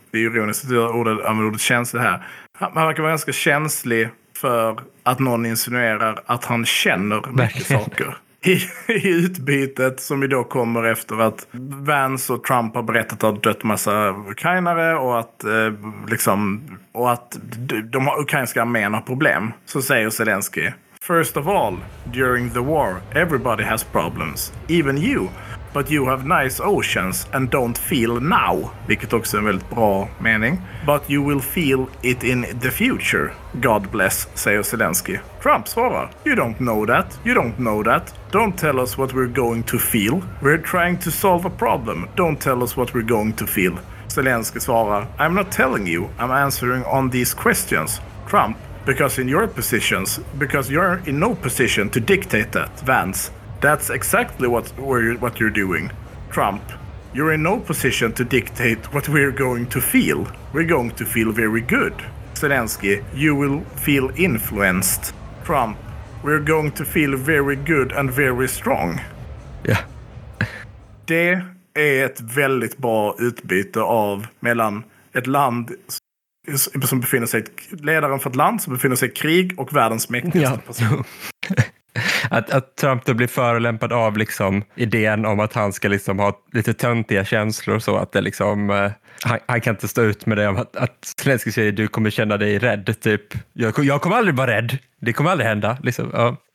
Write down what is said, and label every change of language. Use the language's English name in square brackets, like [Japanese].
[Swedish] Det är ironiskt att jag använder ordet känsligt här. Han verkar vara ganska känslig för att någon insinuerar att han känner mycket saker. I utbytet som vi då kommer efter att Vance och Trump har berättat att har dött massa ukrainare och att liksom, och att de ukrainska armén har problem. Så säger Zelensky, [English] First of all, during the war, everybody has problems. Even you. But you have nice oceans and don't feel now. [Swedish] Vilket också är en väldigt bra mening. [English] But you will feel it in the future. God bless, [Swedish] säger Zelensky. Trump svarar, [English] you don't know that. You don't know that. Don't tell us what we're going to feel. We're trying to solve a problem. Don't tell us what we're going to feel. [Swedish] Zelensky svarar, [English] I'm not telling you. I'm answering on these questions. Trump, because in your positions, because you're in no position to dictate that. Vance, that's exactly what you're doing. Trump, you're in no position to dictate what we're going to feel. We're going to feel very good. Zelensky, you will feel influenced. Trump, we're going to feel very good and very strong. Yeah. [Swedish] Det är ett väldigt bra utbyte av mellan ett land som befinner sig, ledaren för ett land som befinner sig i krig och världens mäktigaste person. Att Trump då blir förelämpad av liksom idén om att han ska liksom ha lite töntiga känslor, så att det liksom, han kan inte stå ut med det, att Zelensky säger du kommer känna dig rädd, typ jag kommer aldrig vara rädd, det kommer aldrig hända liksom, ja.